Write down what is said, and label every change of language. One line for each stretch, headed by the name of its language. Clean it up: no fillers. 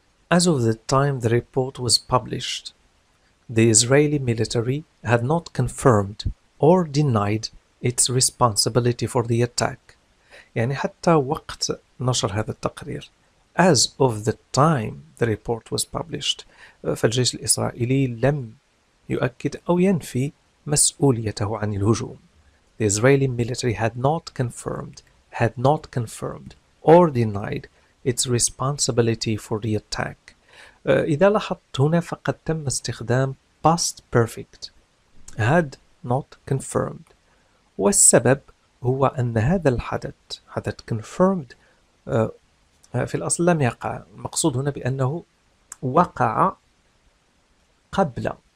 English: As of the time the report was published, the Israeli military had not confirmed or denied its responsibility for the attack.
Arabic: يعني حتى وقت نشر هذا التقرير.
English: As of the time the report was published,
Arabic: فالجيش الإسرائيلي لم يؤكد أو ينفي مسؤوليته عن الهجوم.
English: the Israeli military had not confirmed or denied its responsibility for the attack.
Arabic: إذا لاحظت هنا فقد تم استخدام past perfect
English: had not confirmed،
Arabic: والسبب هو أن هذا الحدث حدث confirmed في الأصل لم يقع، المقصود هنا بأنه وقع قبل